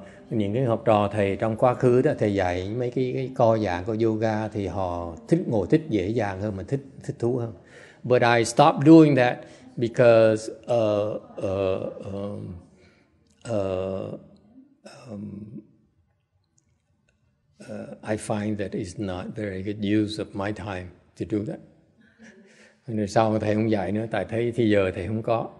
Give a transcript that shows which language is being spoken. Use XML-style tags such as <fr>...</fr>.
<vi>Những cái học trò thầy trong quá khứ đó, thầy dạy mấy cái co giãn của yoga thì họ thích ngồi thích dễ dàng hơn, mà thích thú hơn.</vi> <en>But I stopped doing that because I find that it's not very good use of my time to do that.</en> <vi>And sau thầy không dạy nữa, tại thấy thì giờ thầy không có.</vi>